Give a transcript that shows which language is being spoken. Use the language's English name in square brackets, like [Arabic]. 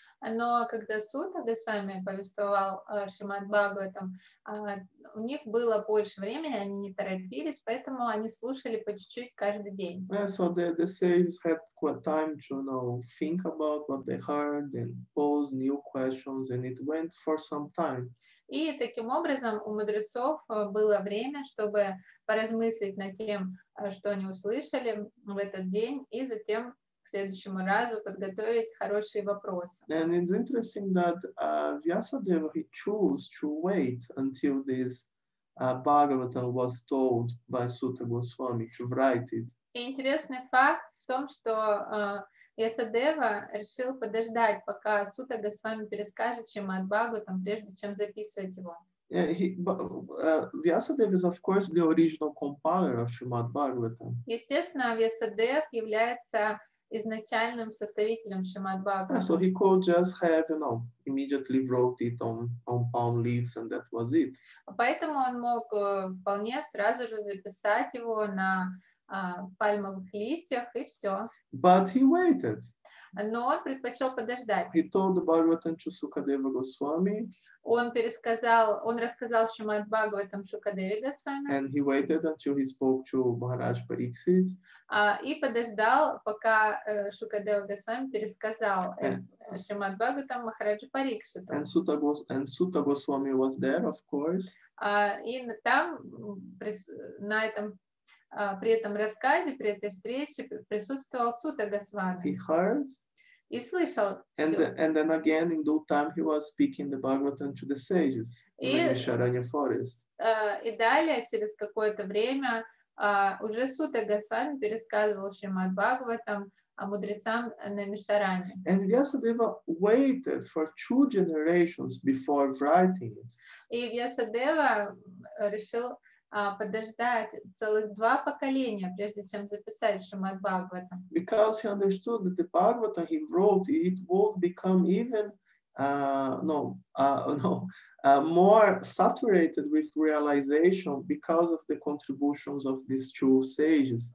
[Russian] Но когда Сута Госвами повествовал Шримад Бхагаватам, у них было больше времени, они не торопились, поэтому они слушали по чуть-чуть каждый день. [English] Yeah, so the sages had quite time to, think about what they heard and pose new questions, and it went for some time. [Russian] И таким образом у мудрецов было время, чтобы поразмыслить над тем, что они услышали в этот день, и затем следующему разу подготовить хорошие вопросы. [English] And it's interesting that Vyasadeva he chose to wait until this Bhagavatam was told by Sutta Goswami to write it. [Russian] И интересный факт в том, что Vyasadeva решил подождать, пока Сутта Госвами перескажет Шримад Бхагаватам, прежде чем записывать его. [English] Yeah, Vyasadeva is of course the original compiler of Shrimad Bhagavatam. [Russian] Естественно, Vyasadeva является изначальным составителем Шримад Бхагаватам. [English] So he could just have, immediately wrote it on palm leaves and that was it. [Russian] Поэтому он мог вполне сразу же записать его на пальмовых листьях и все. [English] But he waited. [Russian] Но он предпочел подождать. [English] He told Bhagavatam to Sukadeva Goswami. [Russian] Он рассказал Шримад Бхагаватам Шукадеве Госвами. [English] And he waited until he spoke to Maharaj Parikshit. [Russian] И подождал, пока Шукадева Госвами пересказал Шримад Бхагаватам Махараджу Парикшиту. [English] And Sutta Goswami was there, of course. [Russian] И там, на этом при этом рассказе, при этой встрече присутствовал Сута Госвами. [English] He heard. [Russian] И слышал [English] and then again, in due time, he was speaking the Bhagavatam to the sages in the Vaisharanya forest. [Russian] И далее, через какое-то время, уже Сута Госвами пересказывал Шримад Бхагаватам о мудрецам на Вишаране. [English] And Vyasadeva waited for two generations before writing it. [Russian] И Вьясадева решил подождать целых два поколения, прежде чем записать Шримад Бхагаватам. [English] Because he understood that the Bhagavatam he wrote, it would become even more saturated with realization because of the contributions of these two sages.